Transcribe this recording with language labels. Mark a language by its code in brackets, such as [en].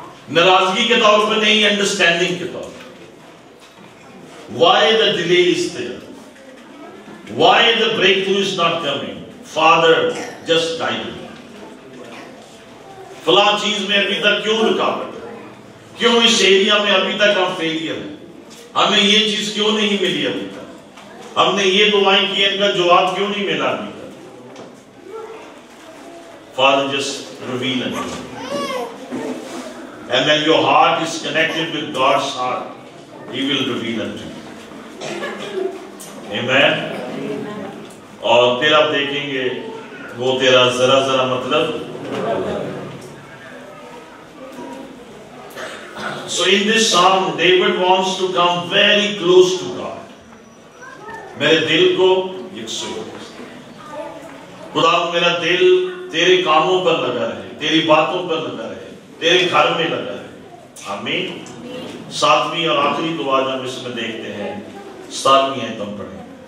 [hi] नाराजगी के तौर पर नहीं, अंडरस्टैंडिंग के तौर पर, [en] why the delay is there, why the breakthrough is not coming, Father just died, [hi] फला चीज में अभी तक क्यों रुकावट, क्यों इस एरिया में अभी तक हम फेलियर है, हमें ये चीज क्यों नहीं मिली अभी तक, हमने ये दुआएं की इनका जवाब क्यों नहीं मिला अभी तक, [en] Father just reveal again. And when your heart is connected with God's heart, He will reveal unto you. Amen. [hi] और फिर आप देखेंगे वो तेरा जरा जरा मतलब। [en] So in this psalm, David wants to come very close to God. [hi] मेरे दिल को यकसोई। खुदा मेरा दिल तेरे कामों पर लगा रहे, तेरी बातों पर लगा रहे, तेरे घर में लगा रहे। आमीन। सातवीं और आखिरी दुआ जब इसमें देखते हैं, सातवीं है तुम पढ़े।